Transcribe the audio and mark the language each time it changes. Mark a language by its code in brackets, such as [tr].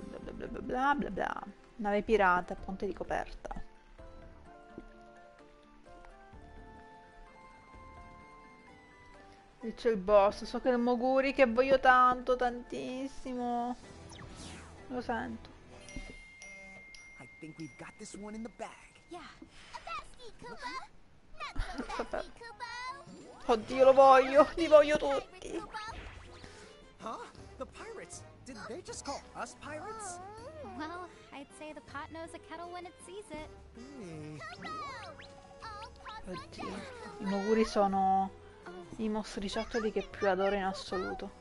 [it] Bla bla bla bla bla bla bla. Nave pirata, ponte di coperta. Lì c'è il boss. So che è il Moguri che voglio tanto, tantissimo. Lo sento. [en] Think we've got this one in the bag. Yeah. A pesky Koopa. Not so pesky Koopa. [it] Oddio, lo voglio. Li voglio tutti. [en] Huh? The pirates. Did they just call us pirates? Oh. Well, I'd say the pot knows a kettle when it sees it. Hey. Oddio. [it] I moguri sono i mostriciattoli che più adoro in assoluto.